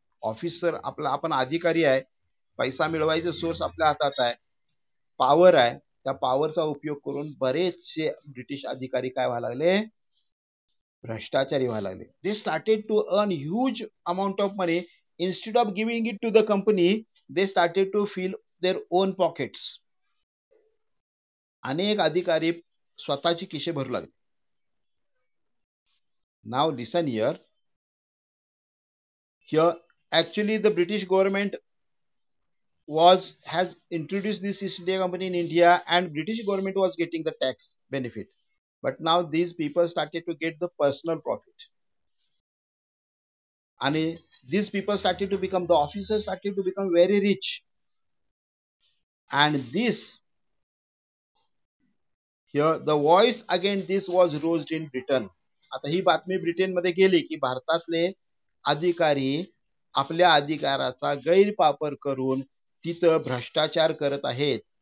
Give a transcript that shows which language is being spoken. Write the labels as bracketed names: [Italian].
[Marathi] Officer आपला, आपण अधिकारी आहे, पैसा मिळवायचं सोर्स आपल्या हातात आहे, पॉवर आहे, त्या पॉवरचा उपयोग करून बरेचसे ब्रिटिश अधिकारी काय व्हायला लागले, भ्रष्टाचारी व्हायला लागले. [English] They started to earn huge amount of money instead of giving it to the company, they started to fill their own pockets. [Marathi] अनेक अधिकारी स्वतःची खिसे भरू लागले. [English] Now listen here. Here, actually, the British government has introduced this East India Company in India, and British government was getting the tax benefit. But now these people started to get the personal profit. And these people started to become, the officers started to become very rich. And this, here, the voice again, this was raised in Britain. [Marathi] आता ही बातमी Britain मध्ये गेली की भारतातले अधिकारी आपल्या अधिकाराचा गैरवापर करून तिथं भ्रष्टाचार करत आहेत.